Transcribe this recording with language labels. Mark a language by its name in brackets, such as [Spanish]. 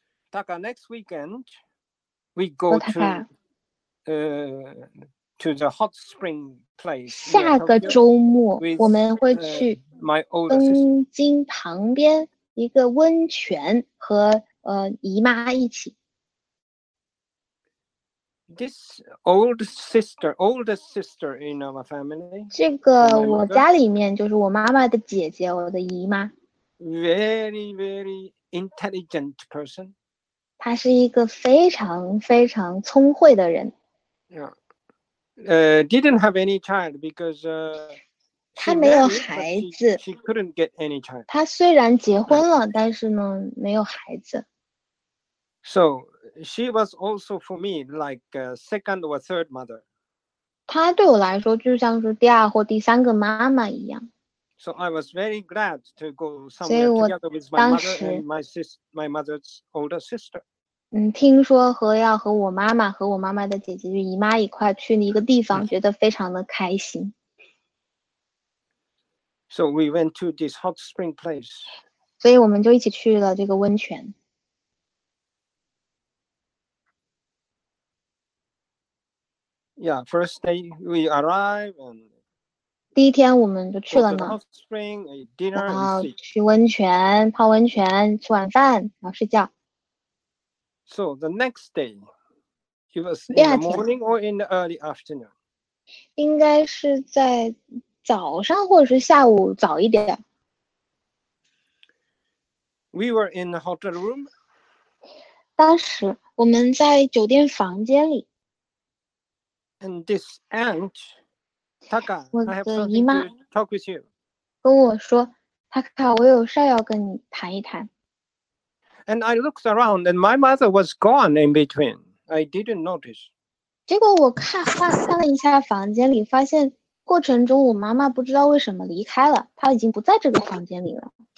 [English] Taka, next weekend, we go to, to the hot spring place. [Chinese] 下个周末我们会去 [English] my older [Chinese] 东京旁边一个温泉和姨妈一起。 [English] This old sister, oldest sister in our family. [Chinese] 这个我家里面就是我妈妈的姐姐，我的姨妈。 [English] Very, very intelligent person. [Chinese] 她是一个非常非常聪慧的人。 [English] Yeah. Didn't have any child because. [Chinese] 她没有孩子。 [English] She couldn't get any child. [Chinese] 她虽然结婚了，但是呢，没有孩子。 [English] So. She was also for me like a second or third mother. [Chinese] 她对我来说就像是第二或第三个妈妈一样。 [English] So I was very glad to go somewhere together with my mother and my mother's older sister. [Chinese] 听说和要和我妈妈和我妈妈的姐姐姨妈一块去一个地方，觉得非常的开心。 [English] So we went to this hot spring place. [Chinese] 所以我们就一起去了这个温泉。 [English] Yeah, first day we arrive and. [Chinese] 第一天我们就去了呢。 [English] Hot spring, dinner, [Chinese] 然后去温泉泡温泉，吃晚饭，然后睡觉。 [English] So the next day, it was in the morning or in the early afternoon. [Chinese] 应该是在早上或者是下午早一点。 [English] We were in the hotel room. [Chinese] 当时我们在酒店房间里。 [English] And this aunt, Taka, I have something to talk with you. [Chinese] 跟我说 ，Taka， 我有事要跟你谈一谈。 [English] And I looked around, and my mother was gone in between. I didn't notice. [Chinese] 结果我看了一下房间里，发现过程中我妈妈不知道为什么离开了，她已经不在这个房间里了。